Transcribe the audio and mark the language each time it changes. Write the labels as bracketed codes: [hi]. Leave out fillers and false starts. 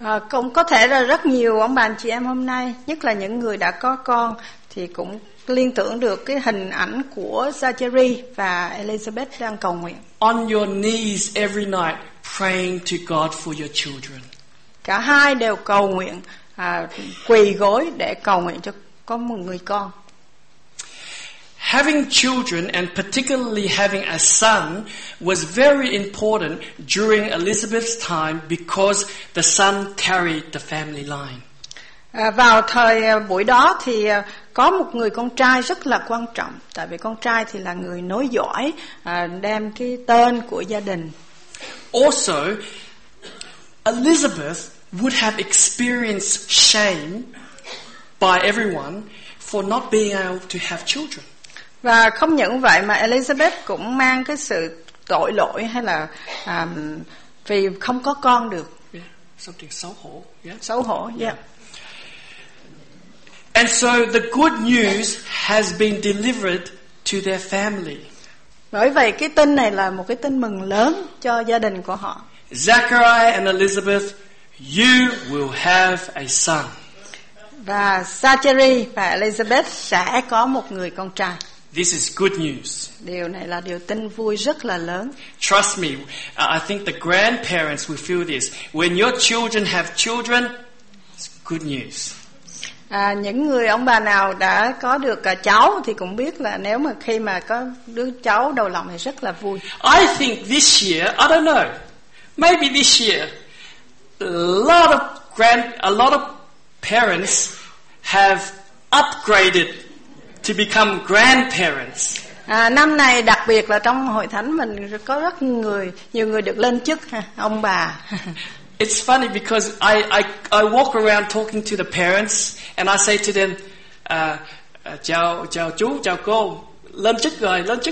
[vi] Cũng có thể là rất nhiều ông bà anh chị em hôm nay, nhất là những người đã có con, thì cũng liên tưởng được cái hình ảnh của Zachary và Elizabeth đang cầu nguyện. [en] On your knees every night praying to God for your children. [vi] Cả hai đều cầu nguyện, quỳ gối để cầu nguyện cho có một người con. [en] Having children and particularly having a son was very important during Elizabeth's time because the son carried the family line. [vi] Vào thời buổi đó thì có một người con trai rất là quan trọng, tại vì con trai thì là người nối dõi đem cái tên của gia đình. [en] Also, Elizabeth would have experienced shame by everyone for not being able to have children. [vi] Và không những vậy mà Elizabeth cũng mang cái sự tội lỗi hay là vì không có con được. [en] Something [vi] xấu hổ. Xấu hổ, [en] And so the good news has been delivered to their family. [vi] Bởi vậy cái tin này là một cái tin mừng lớn cho gia đình của họ. [en] Zachariah and Elizabeth, you will have a son. [vi] Và Zachary và Elizabeth sẽ có một người con trai. [en] This is good news. [vi] Điều này là điều tin vui rất là lớn. [en] Trust me, I think the grandparents will feel this. When your children have children, it's good news. [vi] Những người ông bà nào đã có được cháu thì cũng biết là nếu mà khi mà có đứa cháu đầu lòng thì rất là vui. [en] I think this year, I don't know, maybe this year, a lot of parents have upgraded to become grandparents. [vi] Năm này đặc biệt là trong hội thánh mình có rất nhiều người được lên chức ông bà. [en] It's funny because I walk around talking to the parents and I say to them, [vi] chào chú, chào cô, lên chức rồi.